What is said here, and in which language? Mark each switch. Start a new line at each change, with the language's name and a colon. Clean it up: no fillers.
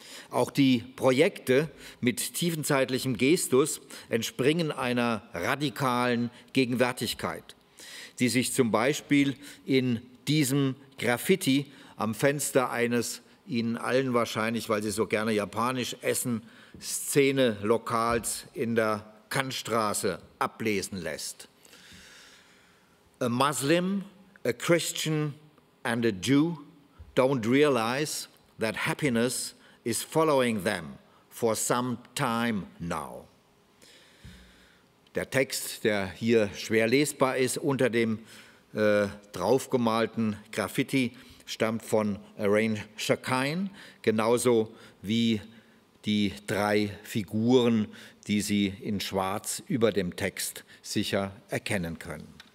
German: Auch die Projekte mit tiefenzeitlichem Gestus entspringen einer radikalen Gegenwärtigkeit, die sich zum Beispiel in diesem Graffiti am Fenster eines Ihnen allen wahrscheinlich, weil Sie so gerne japanisch essen, Szene-Lokals in der Kantstraße ablesen lässt.
English: A Muslim, a Christian and a Jew don't realize that happiness is following them for some time now.
German: Der Text, der hier schwer lesbar ist, unter dem draufgemalten Graffiti, stammt von Arain Shakine, genauso wie die 3 Figuren, die Sie in Schwarz über dem Text sicher erkennen können.